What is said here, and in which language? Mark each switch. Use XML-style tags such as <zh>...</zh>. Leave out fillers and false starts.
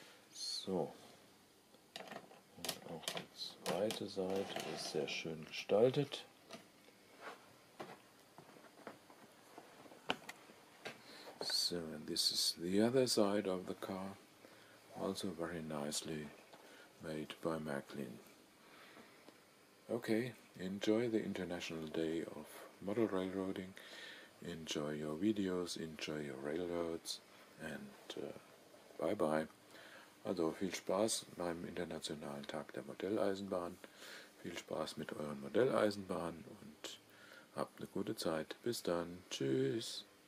<de>So, auch die zweite Seite ist sehr schön gestaltet.</de> <en>So, and this is the other side of the car, also very nicely made by Märklin. Okay, enjoy the International Day of Model Railroading, enjoy your videos, enjoy your railroads, and bye-bye.</en> <de>Also viel Spaß beim Internationalen Tag der Modelleisenbahn, viel Spaß mit euren Modelleisenbahnen und habt eine gute Zeit. Bis dann, tschüss.</de>